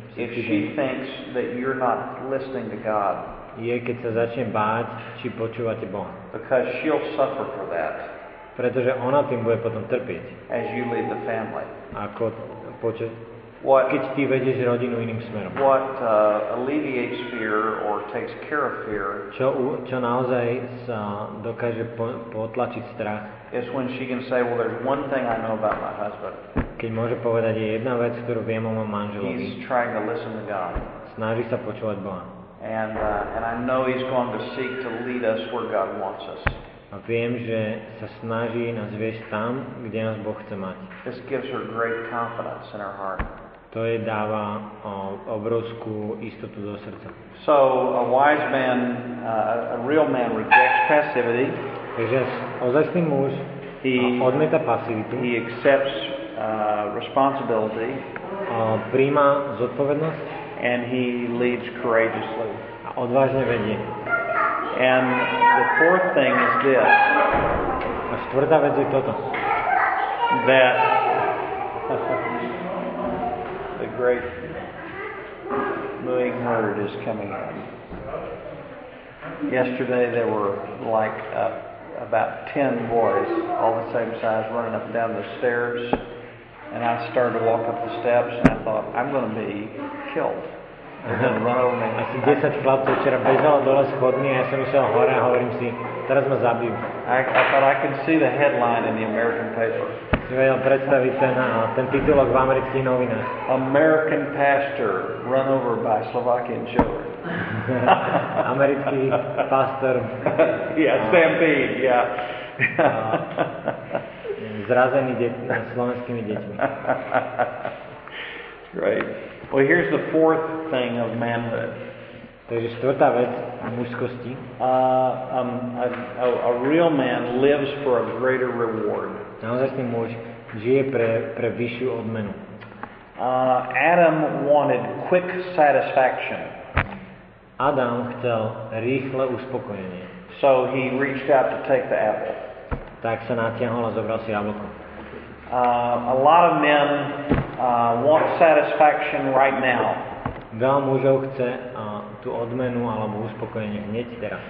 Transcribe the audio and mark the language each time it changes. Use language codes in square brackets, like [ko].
[en] If she thinks that you're not listening to God. [sk] Je, keď sa začne báť, či počúvate Boha. [en] Because she'll suffer for that. [sk] Pretože ona tým bude potom trpieť. [en] As you lead the family. [sk] Ako počuť keď ty vedieš rodinu iným smerom. [en] What alleviates fear or takes care of fear? [sk] Čo naozaj sa dokáže potlačiť strach? [en] Is when she can say, well, there's one thing I know about my husband. [sk] Keď môže povedať, je jedna vec, ktorú viem o mojom manželovi. [en] He's trying to listen to God. [sk] Snaží sa počúvať Boha. [en] And I know he's going to seek to lead us where God wants us. [sk] A viem, že sa snaží nás viesť tam, kde nás Boh chce mať. [en] This gives her great confidence in her heart. [sk] To jej dáva obrovskú istotu do srdca. [en] So a wise man, a real man rejects passivity. [sk] Takže ozajstný muž odmieta pasivitu. [en] He accepts responsibility. [sk] Prijíma zodpovednosť. [en] And he leads courageously. [sk] A odvážne vedie. [en] And the fourth thing is this. [sk] A štvrtá vec je toto. [en] That the great mooing herd is coming in. Yesterday there were like about 10 boys all the same size running up and down the stairs. And I started to walk up the steps and I thought, I'm going to be killed. [sk] Asi 10 chlapcov včera bežalo dole schodmi a ja som išiel hore a hovorím si, teraz ma zabijú. [en] I can see the headline in the American paper. [sk] Si vedel predstaviť ten titulok v amerických novinách. [en] American pastor run over by Slovakian children. [sk] Americký pastor. [en] Yeah, stampede, yeah. [sk] Zrazený slovenskými deťmi. [en] Great. Well, here's the fourth thing of manhood. [sk] Takže štvrtá vec mužskosti. [en] A real man lives for a greater reward. [sk] Naozajstný muž žije pre vyššiu odmenu. [en] Adam wanted quick satisfaction. [sk] Adam chcel rýchle uspokojenie. [en] So he reached out to take the apple. [sk] Tak sa natiahol a zobral si jablko. [en] A lot of men want satisfaction right now. [sk] Veľa mužov chce tú odmenu alebo uspokojenie hneď teraz.